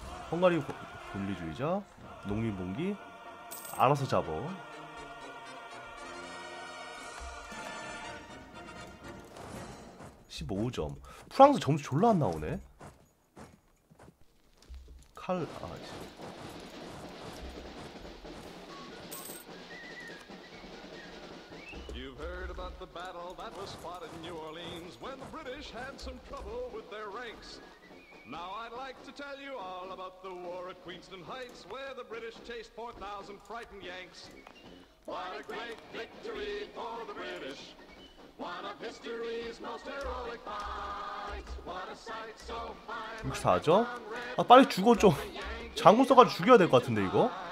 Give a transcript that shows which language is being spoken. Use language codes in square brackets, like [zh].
[ko] 헝가리 분리주의자 농민봉기 알아서 잡어. 15점. 프랑스 점수 졸라 안 나오네. [en] 칼 아 You've heard about the battle that was fought in New Orleans when the British had some trouble with their ranks. Now I'd like to tell you all about the war at Queenston Heights where the British chased 4,000 frightened Yanks. What a great victory for the British. One of history's most heroic fights. What a sight so fine. [ko] 64죠? 아 빨리 죽어 좀. 장군 써가지고 죽여야 될 것 같은데 이거.